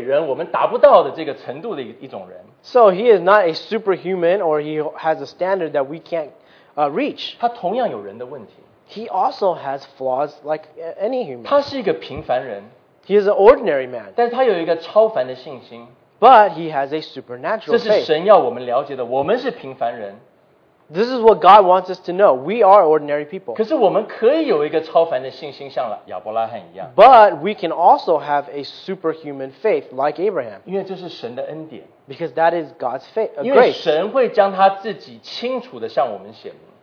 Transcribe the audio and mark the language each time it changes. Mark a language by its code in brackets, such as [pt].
[zh] 他不是一个我们好像常讲的伟人,我们达不到的这个程度的一种人。 [en] So he is not a superhuman or he has a standard that we can't reach. [zh] 他同样有人的问题。 [en] He also has flaws like any human. [zh] 他是一个平凡人。 [en] He is an ordinary man. [zh] 但是他有一个超凡的信心。 [en] But he has a supernatural faith. [zh] 这是神要我们了解的,我们是平凡人。 [en] This is what God wants us to know. We are ordinary people. [zh] 可是我们可以有一个超凡的信心像亚伯拉罕一样。 [en] But we can also have a superhuman faith like Abraham. [zh] 因为这是神的恩典。 [en] Because that is God's faith, grace. [zh] 因为神会将他自己清楚地向我们显明。